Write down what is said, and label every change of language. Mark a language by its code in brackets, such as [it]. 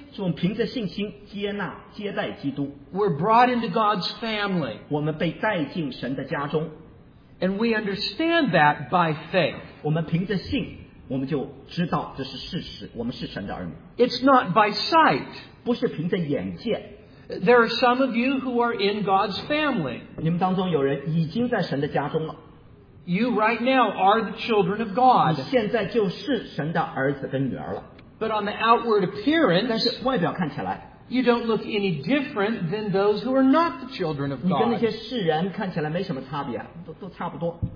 [zh] 我们凭着信心接纳接待基督, [en] we're brought into God's family. [zh] 我们被带进神的家中, [en] and we understand that by faith. [zh] 我们凭着信, 我们就知道这是事实, 我们是神的儿女。 [en] It's not by sight. [zh] 不是凭着眼见。 [en] There are some of you who are in God's family. [zh] 你们当中有人已经在神的家中了。 [en] You right now are the children of God. But on the outward appearance, [zh] 但是外表看起来, [en] you don't look any different than those who are not the children of God. [zh] 你跟那些世人看起来没什么差别, 都差不多。